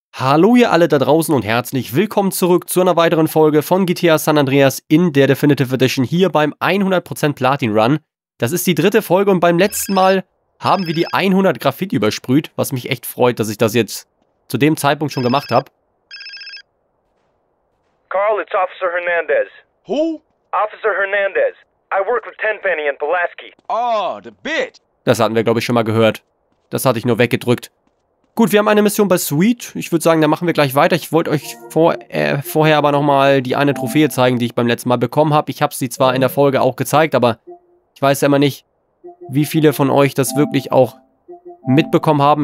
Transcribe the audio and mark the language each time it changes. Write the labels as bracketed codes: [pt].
[de] Hallo ihr alle da draußen und herzlich willkommen zurück zu einer weiteren Folge von GTA San Andreas in der Definitive Edition hier beim 100% Platin Run. Das ist die dritte Folge und beim letzten Mal haben wir die 100 Graffiti übersprüht, was mich echt freut, dass ich das jetzt zu dem Zeitpunkt schon gemacht habe. [en] Carl, it's Officer Hernandez. Who? Officer Hernandez. I work with Tenpenny and Pulaski. Oh, the bit. [de] Das hatten wir, glaube ich, schon mal gehört. Das hatte ich nur weggedrückt. Gut, wir haben eine Mission bei Sweet. Ich würde sagen, da machen wir gleich weiter. Ich wollte euch vorher aber nochmal die eine Trophäe zeigen, die ich beim letzten Mal bekommen habe. Ich habe sie zwar in der Folge auch gezeigt, aber ich weiß ja immer nicht, wie viele von euch das wirklich auch mitbekommen haben.